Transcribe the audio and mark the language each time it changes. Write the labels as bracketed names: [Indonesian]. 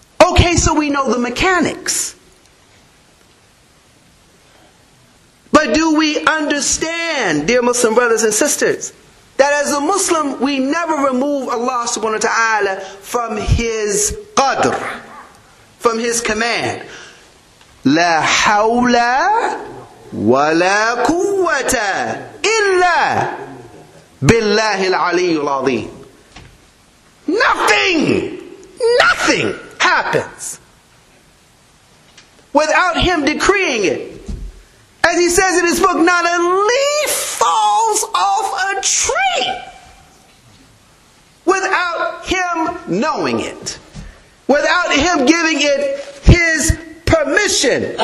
[English] Okay, so we know the mechanics. But do we understand, dear Muslim brothers and sisters, that as a Muslim, we never remove Allah subhanahu wa ta'ala from His qadr, from His command. [Arabic] لا حول ولا قوة إلا بالله العلي العظيم. [English] Nothing happens without Him decreeing it. As He says in His book, not a leaf falls off a tree without Him knowing it, without Him giving it His permission.